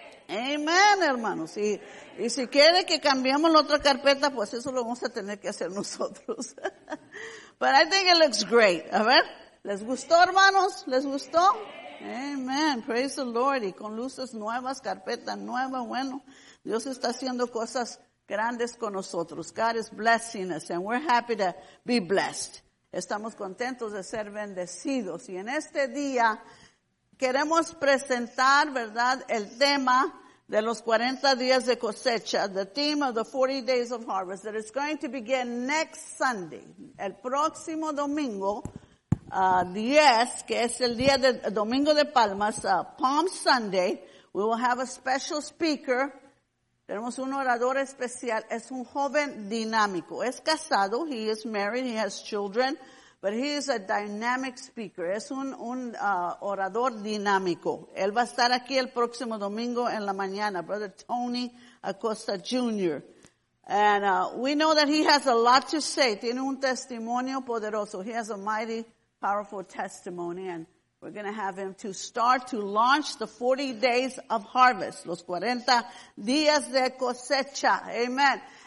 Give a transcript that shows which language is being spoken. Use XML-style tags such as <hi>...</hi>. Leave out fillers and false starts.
<es>Amén, hermanos. Y si quiere que cambiemos la otra carpeta, pues eso lo vamos a tener que hacer nosotros.</es> <en>But I think it looks great.</en> <es>A ver, ¿les gustó, hermanos? ¿Les gustó?</es> <en>Amen. Praise the Lord.</en> <es>Y con luces nuevas, carpeta nueva. Bueno, Dios está haciendo cosas grandes con nosotros.</es> <en>God is blessing us and we're happy to be blessed.</en> <es>Estamos contentos de ser bendecidos. Y en este día queremos presentar, ¿verdad?, el tema de los 40 días de cosecha,</es> <en>the theme of the 40 days of harvest that is going to begin next Sunday,</en> <es>el próximo domingo, 10, que es el día de Domingo de Palmas,</es> <en>Palm Sunday. We will have a special speaker.</en> <es>Tenemos un orador especial. Es un joven dinámico. Es casado.</es> <en>He is married. He has children. But he is a dynamic speaker.</en> <es>Es un orador dinámico. Él va a estar aquí el próximo domingo en la mañana.</es> <en>Brother Tony Acosta Jr. And we know that he has a lot to say.</en> <es>Tiene un testimonio poderoso.</es> <en>He has a mighty, powerful testimony. And we're going to have him to start to launch the 40 days of harvest.</en> <es>Los 40 días de cosecha.</es> <en>Amen.</en>